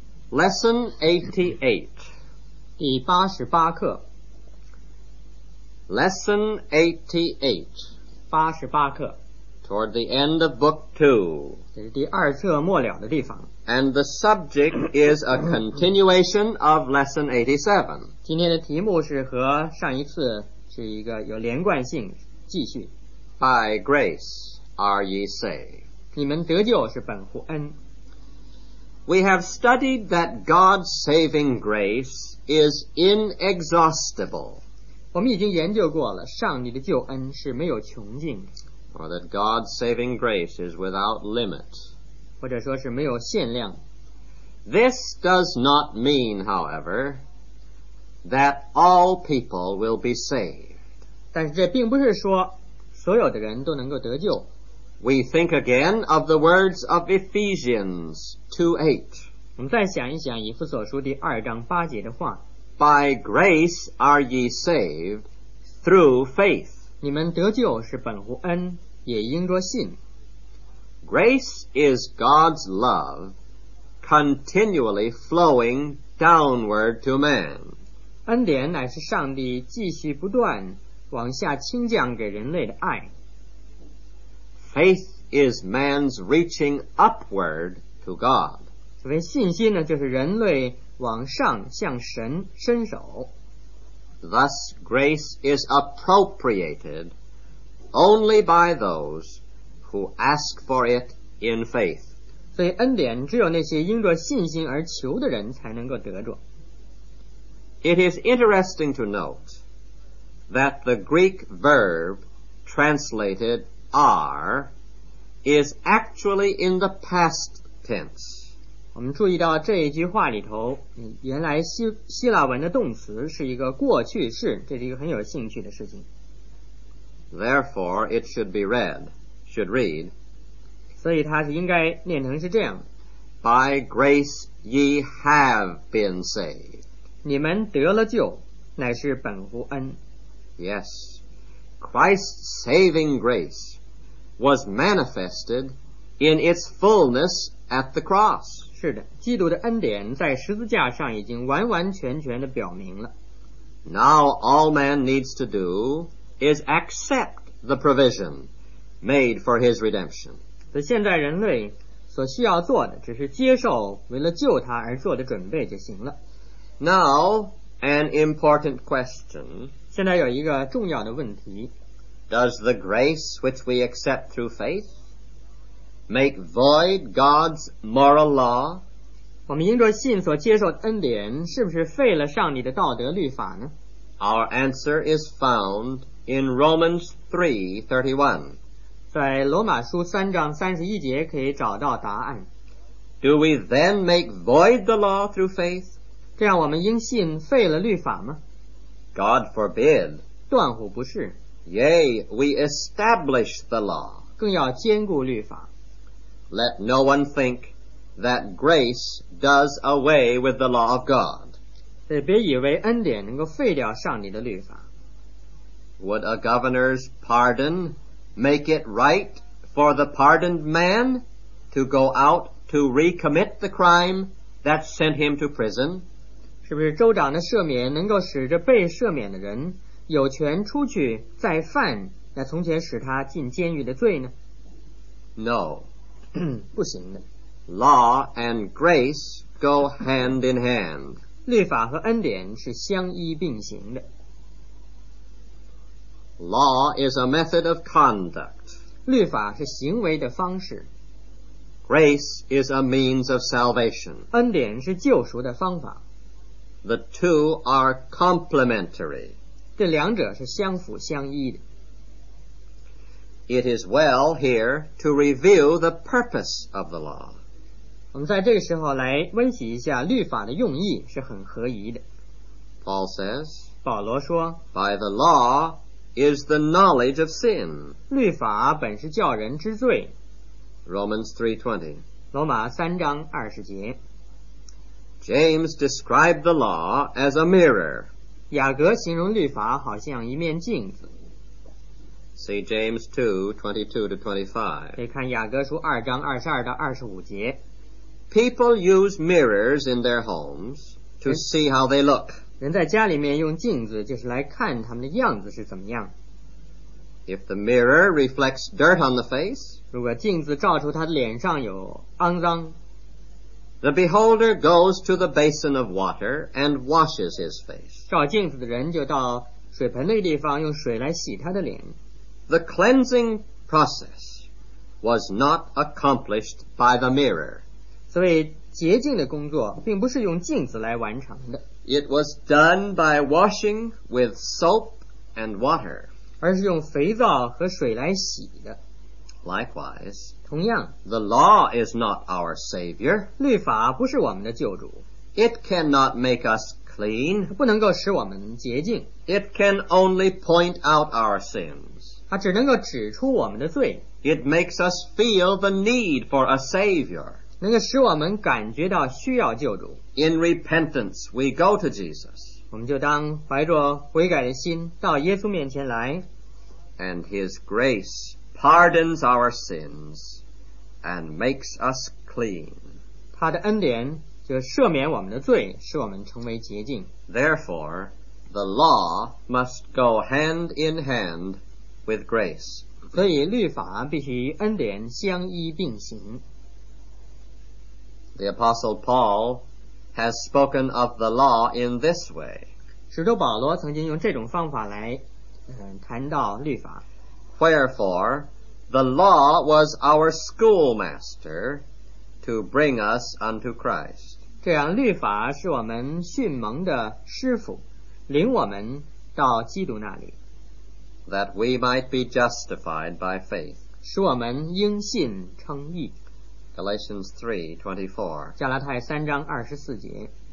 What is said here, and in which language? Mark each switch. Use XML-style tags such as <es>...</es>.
<en>Lesson 88，</en> <zh>第八十八课。</zh> <en>Lesson 88，</en> <zh>八十八课。</zh> <en>Toward the end of book 2，</en> <zh>这是第二册末了的地方。</zh> <en>And the subject is a continuation of Lesson 87.</en> <zh>今天的题目是和上一次是一个有连贯性，继续。</zh> <en>By grace are ye saved.</en> <zh>你们得救是本乎恩。</zh> <en>We have studied that God's saving grace is inexhaustible.</en> <zh>我们已经研究过了，上帝的救恩是没有穷尽的。</zh> <en>Or that God's saving grace is without limit.</en> <zh>或者说是没有限量。</zh> <en>This does not mean, however, that all people will be saved.</en> <zh>但是这并不是说所有的人都能够得救。</zh> <en>We think again of the words of Ephesians 2:8.</en> <zh>我们再想一想以弗所书第二章八节的话。</zh> <en>By grace are ye saved through faith.</en> <zh>你们得救是本乎恩，也应着信。</zh> <en>Grace is God's love continually flowing downward to man.</en> <zh>恩典乃是上帝继续不断往下倾降给人类的爱。</zh> <en>Faith is man's reaching upward to God.</en> <zh>所谓信心呢，就是人类往上向神伸手。</zh> <en>Thus grace is appropriated only by those who ask for it in faith.</en> <zh>所以恩典只有那些因着信心而求的人才能够得着。</zh> <en>It is interesting to note that the Greek verb translated are is actually in the past tense.</en> <zh>我们注意到这一句话里头，原来希腊文的动词是一个过去式，这是一个很有兴趣的事情。</zh> <en>Therefore, it should be read. Should read.</en> <zh>所以它是应该念成是这样。</zh> <en>By grace ye have been saved.</en> <zh>你们得了救，乃是本乎恩。</zh> <en>Yes, Christ's saving grace was manifested in its fullness at the cross.</en> <zh>是的，基督的恩典在十字架上已经完完全全的表明了。</zh> <en>Now all man needs to do is accept the provision. Made for his redemption.</en> <zh>所以现在人类所需要做的只是接受为了救他而做的准备就行了。</zh> <en>Now, an important question.</en> <zh>现在有一个重要的问题。</zh> <en>Does the grace which we accept through faith make void God's moral law?</en> <zh>我们因着信所接受的恩典是不是废了上帝的道德律法呢？</zh> <en>Our answer is found in Romans 3:31.</en> <zh>在罗马书三章三十一节可以找到答案。</zh> <en>Do we then make void the law through faith?</en> <zh>这样我们因信废了律法吗？</zh> <en>God forbid.</en> <zh>断乎不是。</zh> <en>Yea, we establish the law.</en> <zh>更要坚固律法。</zh> <en>Let no one think that grace does away with the law of God.</en> <zh>别以为恩典能够废掉上帝的律法。</zh> <en>Would a governor's pardon make it right for the pardoned man to go out to recommit the crime that sent him to prison?</en> <zh>是不是州长的赦免能够使这被赦免的人有权出去再犯那从前使他进监狱的罪呢？</zh> <en>No.</en> <zh>不行的。</zh> <en>Law and grace go hand in hand.</en> <zh>律法和恩典是相依并行的。</zh> <en>Law is a method of conduct.</en> <zh>律法是行为的方式。</zh> <en>Grace is a means of salvation.</en> <zh>恩典是救赎的方法。</zh> <en>The two are complementary.</en> <zh>这两者是相辅相依的。</zh> <en>It is well here to review the purpose of the law.</en> <zh>我们在这个时候来温习一下律法的用意是很合宜的。</zh> <en>Paul says,</en> <zh>保罗说,</zh> <en>By the law is the knowledge of sin.</en> <zh>律法本是叫人知罪。</zh> <en>Romans 3:20.</en> <zh>罗马三章二十节。</zh> <en>James described the law as a mirror.</en> <zh>雅各形容律法好像一面镜子。</zh> <en>See James 2:22-25.</en> <zh>可以看雅各书二章二十二到二十五节。</zh> <en>People use mirrors in their homes to see how they look.</en> <zh>人在家里面用镜子就是来看他们的样子是怎么样。</zh> <en>If the mirror reflects dirt on the face,</en> <zh>如果镜子照出他的脸上有肮脏,</zh> <en>the beholder goes to the basin of water and washes his face.</en> <zh>照镜子的人就到水盆那个地方用水来洗他的脸。</zh> <en>The cleansing process was not accomplished by the mirror.</en> <zh>所以洁净的工作并不是用镜子来完成的。</zh> <en>It was done by washing with soap and water.</en> <zh>而是用肥皂和水来洗的。</zh> <en>Likewise,</en> <zh>同样,</zh> <en>the law is not our savior.</en> <zh>律法不是我们的救主。</zh> <en>It cannot make us clean.</en> <zh>不能够使我们洁净。</zh> <en>It can only point out our sins.</en> <zh>它只能够指出我们的罪。</zh> <en>It makes us feel the need for a savior.</en> <zh>能够使我们感觉到需要救主。</zh> <en>In repentance, we go to Jesus.</en> <zh>我们就当怀着悔改的心到耶稣面前来。</zh> <en>And his grace pardons our sins and makes us clean.</en> <zh>他的恩典就赦免我们的罪使我们成为洁净。</zh> <en>Therefore, the law must go hand in hand with grace.</en> <zh>所以律法必须恩典相依并行。</zh> <en>The Apostle Paul has spoken of the law in this way.</en> <zh>使徒保罗曾经用这种方法来谈到律法。</zh> <en>Wherefore, the law was our schoolmaster to bring us unto Christ.</en> <zh>这样律法是我们训蒙的师父，领我们到基督那里。</zh> <en>That we might be justified by faith.</en> <zh>使我们因信称义。</zh> <en>Galatians 3:24.</en> <zh>加拉太三章二十四节。</zh>